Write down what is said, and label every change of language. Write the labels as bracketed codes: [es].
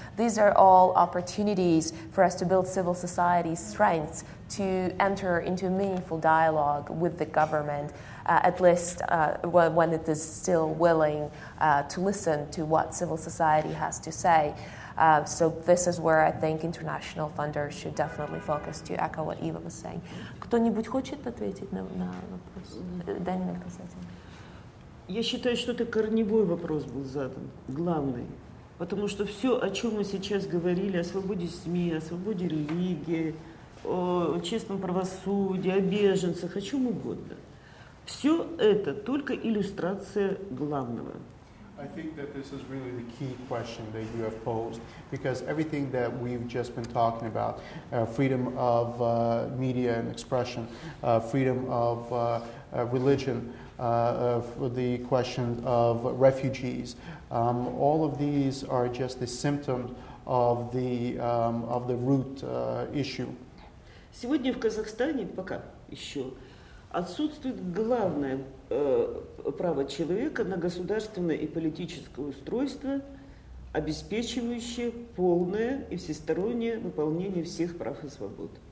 [en] these are all opportunities for us to build civil society's strengths to enter into a meaningful dialogue with the government, at least when it is still willing to listen to what civil society has to say. So this is where I think international funders should definitely focus, to echo what Eva was saying. [ru] Кто-нибудь хочет ответить на вопрос? Данина, кстати. Я считаю, что это корневой вопрос был задан, главный. Потому что все, о чем мы сейчас говорили, о свободе СМИ, о свободе религии, о честном правосудии, о беженцах, о чем угодно. Все это только иллюстрация главного. [en] I think that this is really the key question that you have posed, because everything that we've just been talking about, freedom of media and expression, freedom of religion, the question of refugees, all of these are just the symptoms of the root issue. [ru] Сегодня в Казахстане пока еще отсутствует главное право человека на государственное и политическое устройство, обеспечивающее полное и всестороннее выполнение всех прав и свобод.